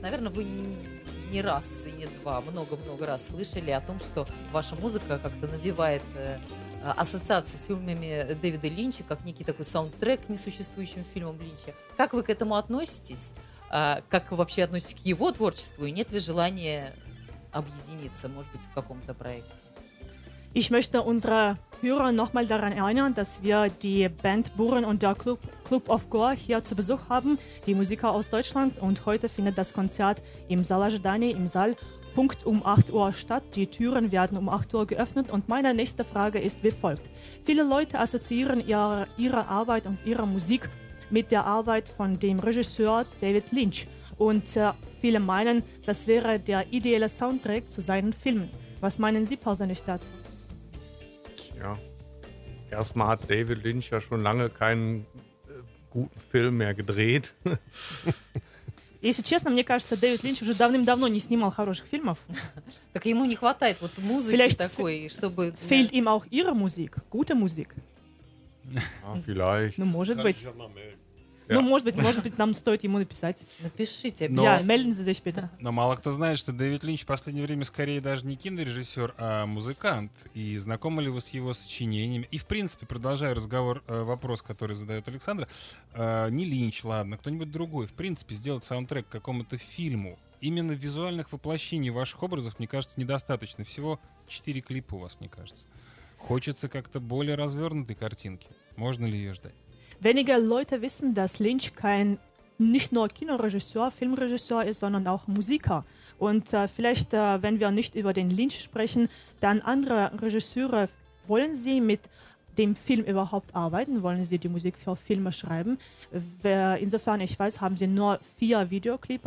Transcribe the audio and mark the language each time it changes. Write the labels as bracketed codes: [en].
[ru] Наверное, вы не раз и не два, много-много раз слышали о том, что ваша музыка как-то навевает ассоциации с фильмами Дэвида Линча, как некий такой саундтрек к несуществующим фильмам Линча. Как вы к этому относитесь? Как вы вообще относитесь к его творчеству? И нет ли желания объединиться, может быть, в каком-то проекте? [de] Ich möchte unsere Hörer nochmal daran erinnern, dass wir die Band Buren und der Club of Gore hier zu Besuch haben, die Musiker aus Deutschland. Und heute findet das Konzert im Saal Ajedani, im Saal Punkt um 8 Uhr statt. Die Türen werden um 8 Uhr geöffnet. Und meine nächste Frage ist wie folgt. Viele Leute assoziieren ihre Arbeit und ihre Musik mit der Arbeit von dem Regisseur David Lynch. Und viele meinen, das wäre der ideelle Soundtrack zu seinen Filmen. Was meinen Sie persönlich dazu? Ja, erstmal hat David Lynch ja schon lange keinen guten Film mehr gedreht. [ru] Если честно, мне кажется, Дэвид Линч уже давным-давно не снимал хороших фильмов. Так ему не хватает вот музыки [de] vielleicht [ru] такой, чтобы... [de] Fehlt ihm auch ihre Musik, gute Musik. А, vielleicht. [ru] Ну, может быть. Ну, может быть, нам стоит ему написать. Напишите. Я мельден здесь, Петр. Но мало кто знает, что Дэвид Линч в последнее время скорее даже не кинорежиссер, а музыкант. И знакомы ли вы с его сочинениями? И, в принципе, продолжая разговор, вопрос, который задает Александр, не Линч, ладно, кто-нибудь другой, в принципе, сделать саундтрек к какому-то фильму, именно визуальных воплощений ваших образов, мне кажется, недостаточно. Всего 4 клипа у вас, мне кажется. Хочется как-то более развернутой картинки. Можно ли ее ждать? [de] Wenige Leute wissen, dass Lynch kein nicht nur Kinoregisseur, Filmregisseur ist, sondern auch Musiker. Und vielleicht, wenn wir nicht über den Lynch sprechen, dann andere Regisseure, wollen sie mit dem Film überhaupt arbeiten? Wollen sie die Musik für Filme schreiben? Insofern ich weiß, haben sie nur 4 Videoclips.